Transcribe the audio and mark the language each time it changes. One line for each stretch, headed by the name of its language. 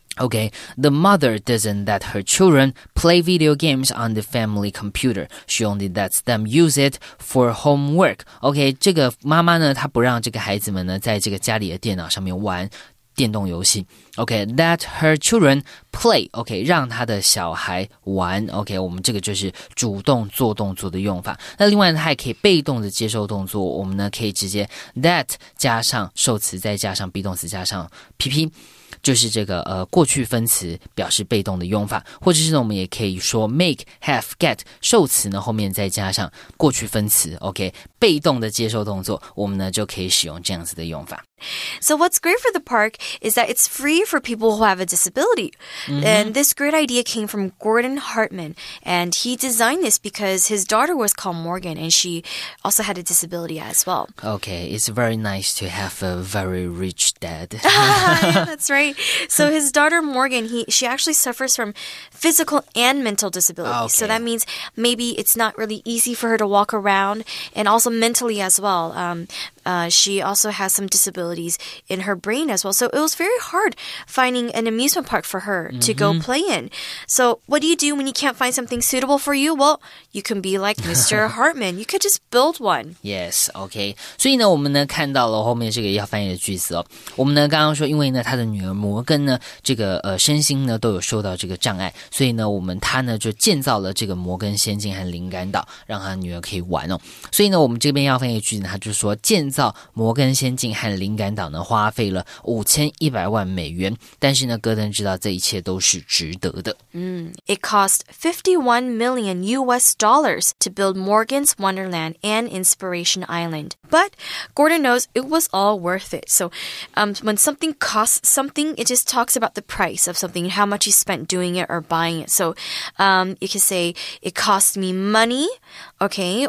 English: Okay, the mother doesn't let her children play video games on the family computer. She only lets them use it for homework.
Chinese: Okay, 这个妈妈呢，她不让这个孩子们呢，在这个家里的电脑上面玩电动游戏。
English: Okay, let her children play. Okay,
Chinese: 让她的小孩玩。 Okay, 我们这个就是主动做动作的用法。那另外呢，还可以被动的接受动作。我们呢，可以直接 let 加上受词，再加上 be 动词，加上 PP。就是这个过去分词表示被动的用法，或者是呢我们也可以说 make, have, get 受词呢后面再加上过去分词 OK 被动的接受动作，我们呢就可以使用这样子的用法。
English: So what's great for the park is that it's free for people who have a disability. Mm-hmm. And this great idea came from Gordon Hartman. And he designed this because his daughter was called Morgan and she also had a disability as well. Okay, it's very nice to have a very rich dad. Yeah, that's right. So his daughter Morgan, she actually suffers from physical and mental disabilities. Okay. So that means maybe it's not really easy for her to walk around, and also mentally as well. She also has some disabilities in her brain as well. So it was very hard finding an amusement park for her to go play in. So what do you do when you can't find something suitable for you? Well, you can be like Mr. Hartman. You could just build one. Yes, okay.
Chinese: 所以呢，我们呢看到了后面这个要翻译的句子哦。我们呢刚刚说，因为呢他的女儿摩根呢，这个身心呢都有受到这个障碍，所以呢我们他呢就建造了这个摩根仙境和灵感岛，让他女儿可以玩哦。所以呢我们这边要翻译的句子呢，他就说建造摩根仙境和灵感岛呢，花费了$5,100,000，但是呢，戈登知道这一切都是值得的。
English: It cost $51 million to build Morgan's Wonderland and Inspiration Island. But Gordon knows it was all worth it. So, when something costs something, it just talks about the price of something, how much you spent doing it or buying it. So, you can say it cost me money, okay?